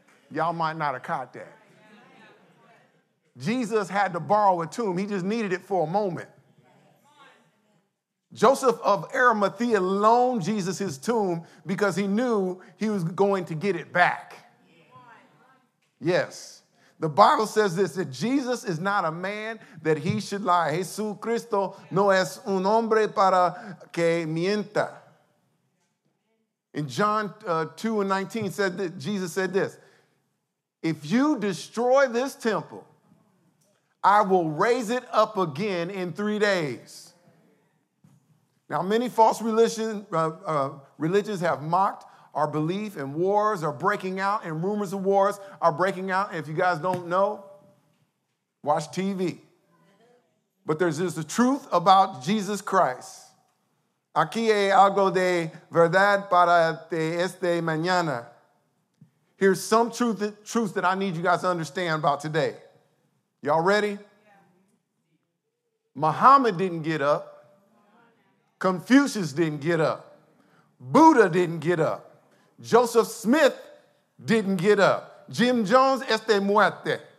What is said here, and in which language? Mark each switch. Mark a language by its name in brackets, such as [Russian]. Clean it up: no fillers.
[English] Y'all might not have caught that. Jesus had to borrow a tomb. He just needed it for a moment. Joseph of Arimathea loaned Jesus his tomb because he knew he was going to get it back. Yes. The Bible says this, that Jesus is not a man that he should lie. [Spanish] Jesucristo no es un hombre para que mienta. [English] In John 2:19, Jesus said this, if you destroy this temple, I will raise it up again in 3 days. Now, many false religions have mocked our belief, and wars are breaking out, and rumors of wars are breaking out. And if you guys don't know, watch TV. But there's just the truth about Jesus Christ. [Spanish] Aquí hay algo de verdad para esta mañana. [English] Here's some truth that I need you guys to understand about today. Y'all ready? Yeah. Muhammad didn't get up. Confucius didn't get up. Buddha didn't get up. Joseph Smith didn't get up. Jim Jones [Spanish] es de muerte.